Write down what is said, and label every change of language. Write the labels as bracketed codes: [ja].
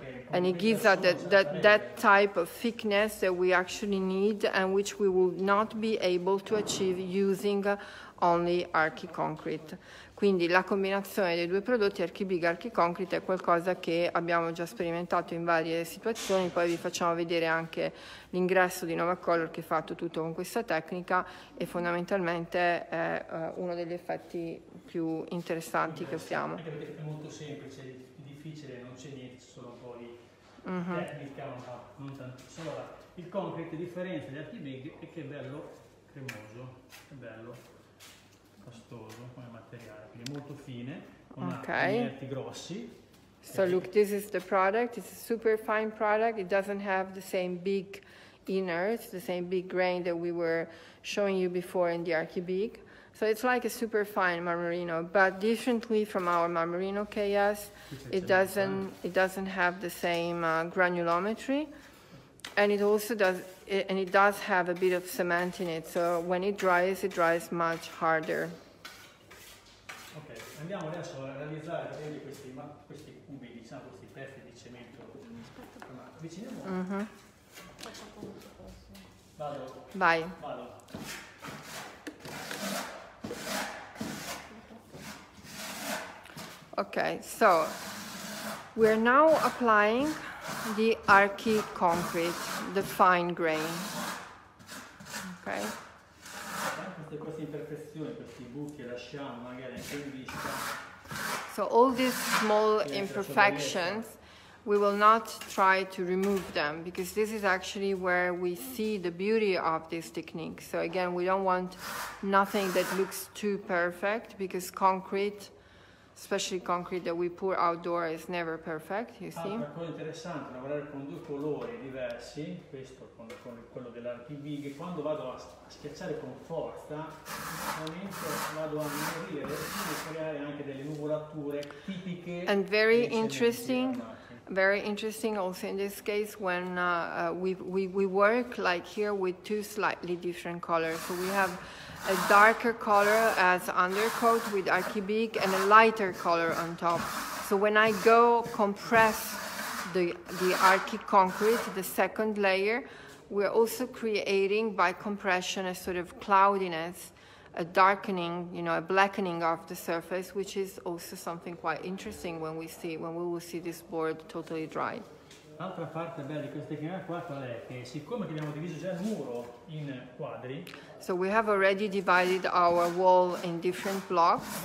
[en] And it gives us that type of thickness that we actually need and which we will not be able to achieve using only Archiconcrete. [it] Quindi la combinazione dei due prodotti, Archibig e Archiconcrete, è qualcosa che abbiamo già sperimentato in varie situazioni. Poi vi facciamo vedere anche l'ingresso di Nova Color, che è fatto tutto con questa tecnica, e fondamentalmente è uno degli effetti più interessanti che abbiamo. Anche perché è molto semplice, difficile, non c'è niente, solo poi tecnica, non tanto. Allora, il concrete, a differenza di Archibig, è che è bello cremoso, è bello pastoso come materiale, quindi molto fine, con pigmenti grossi. [en] So look, this is the product. It's a super fine product. It doesn't have the same big inners, the same big grain that we were showing you before in the Archibig. So it's like a super fine Marmorino, but differently from our Marmorino KS, it doesn't have the same granulometry, and it does have a bit of cement in it. So when it dries much harder. [it] Okay, andiamo adesso a realizzare questi cubi, diciamo, questi pezzi di cemento. Avviciniamo. Vado. Vai. Vado. [en] Okay, so we're now applying the Archiconcrete, the fine grain. Okay. [it] Queste imperfezioni, questi buchi, lasciamo magari anche in vista. [en] So all these small imperfections, we will not try to remove them, because this is actually where we see the beauty of this technique. So again, we don't want nothing that looks too perfect, because concrete, especially concrete that we pour outdoor, is never perfect, you see. [it] Una cosa interessante, lavorare con due colori diversi, questo con quello dell'Archibig, quando vado a schiacciare con forza, ovviamente vado a inserire e creare anche delle nuvolature tipiche. [en] And very interesting. Very interesting also in this case when we work like here with two slightly different colors. So we have a darker color as undercoat with Archibig and a lighter color on top. So when I go compress the Archiconcrete, the second layer, we're also creating by compression a sort of cloudiness, a darkening, you know, a blackening of the surface, which is also something quite interesting when we will see this board totally dry. [it] Altra parte bella di questa tecnica qua qual è? Che siccome abbiamo diviso già il muro in quadri, [en] so we have already divided our wall in different blocks,